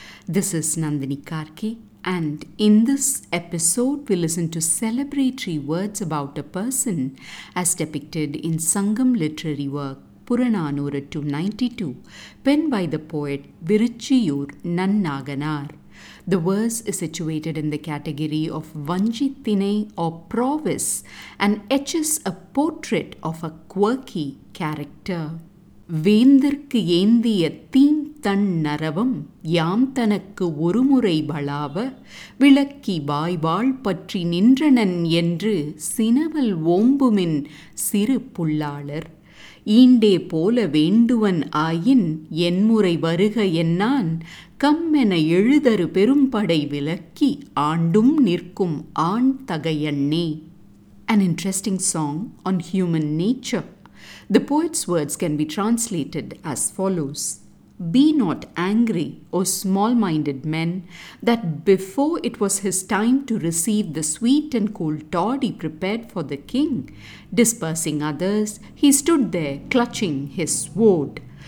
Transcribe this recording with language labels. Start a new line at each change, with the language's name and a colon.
English: This is Nandini Karki, and in this episode we listen to celebratory words about a person as depicted in Sangam literary work Puranaanooru 292 penned by the poet Virichiyoor Nannaakanaar. The verse is situated in the category of Vanji Thinai or Prowess and etches a portrait of a quirky character.
Tamil: வேந்தர்க்கு ஏந்திய theme தன் நரவம் யாம் தனக்கு ஒருமுறை பலாவ விளக்கி வாய்வாள் பற்றி நின்றனன் என்று சினவல் ஓம்புமின் சிறு புள்ளாளர் ஈண்டே போல வேண்டுவன் ஆயின் என்முறை வருக என்னான் கம்மென எழுதரு பெரும்படை விளக்கி ஆண்டும் நிற்கும் ஆண் தகையண்ணே.
English: An interesting song on human nature. The poet's words can be translated as follows. Be not angry, O small-minded men, that before it was his time to receive the sweet and cold toddy prepared for the king, dispersing others, he stood there clutching his sword.